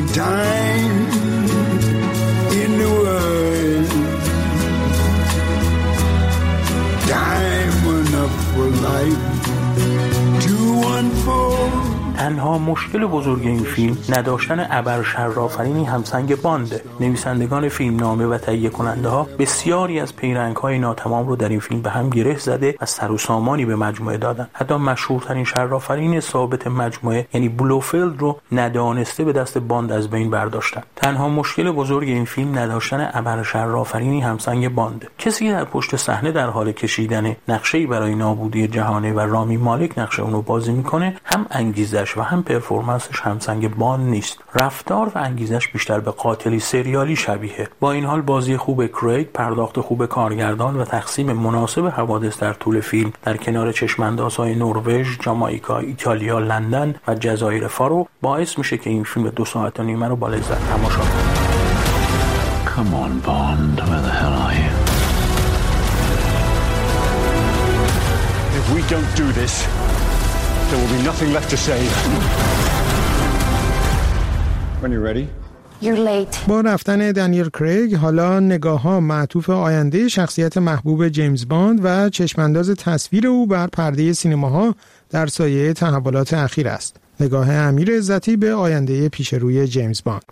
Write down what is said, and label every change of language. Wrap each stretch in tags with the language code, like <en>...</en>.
<en>Time in the world, time enough for life to unfold.</en> <fa>تنها مشکل بزرگ این فیلم نداشتن ابر شرافرینی همسنگ بانده. نویسندگان فیلم نامه و تهیه کننده ها بسیاری از پیرنگ های ناتمام رو در این فیلم به هم گره زده و سر و سامانی به مجموعه دادن. حتی مشهورترین شرافرین ثابت مجموعه، یعنی بلوفیلد، رو ندانسته به دست باند از بین برداشتن. تنها مشکل بزرگ این فیلم نداشتن ابر شرافرینی همسنگ بانده. کسی در پشت صحنه در حال کشیدن نقشه‌ای برای نابودی جهان و رامی مالک نقش اون رو بازی می‌کنه، هم انگیزه زش و هم پرفورمنسش همسنگ باند نیست. رفتار و انگیزش بیشتر به قاتلی سریالی شبیه. با این حال بازی خوب کریگ، پرداخت خوب کارگردان و تقسیم مناسب حوادث در طول فیلم در کنار چشم‌اندازهای نروژ، جامائیکا، ایتالیا، لندن و جزایر فارو باعث میشه که این فیلم 2 ساعت و نیمه رو با لذت تماشا کنید.</fa> <en>Come on, Bond, where the hell are you? If we don't do this, there will be nothing left to say. When you're ready.</en> <fa>با رفتن دانیل کریگ حالا نگاه‌ها معطوف آینده شخصیت محبوب جیمز باند و چشم‌انداز تصویر او بر پرده سینماها در سایه تحولات اخیر است. نگاه امیر عزتی به آینده پیش روی جیمز باند.</fa>